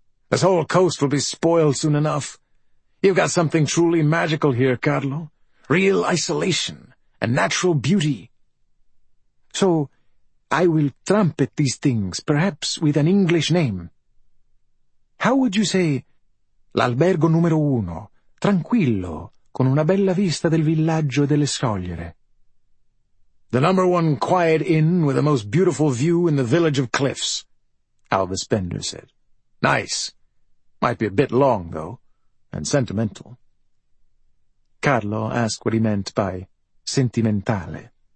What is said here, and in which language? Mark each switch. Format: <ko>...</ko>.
<en>This whole coast will be spoiled soon enough. You've got something truly magical here, Carlo. Real isolation and natural beauty. So I will trumpet these things, perhaps with an English name. How would you say,</en> <it>L'albergo numero uno, tranquillo, con una bella vista del villaggio e delle scogliere?</it> <en>The number one quiet inn with the most beautiful view in the village of cliffs, Alvis Bender said. Nice. Might be a bit long, though, and sentimental. Carlo asked what he meant by sentimentale.</en>